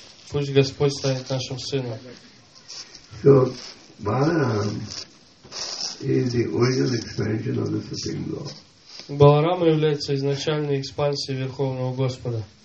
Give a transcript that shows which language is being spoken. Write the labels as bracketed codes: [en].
[ru] Пусть Господь станет нашим сыном. [en] So, Balaram is the original expansion of the Supreme Lord. [ru] Баларама является изначальной экспансией Верховного Господа.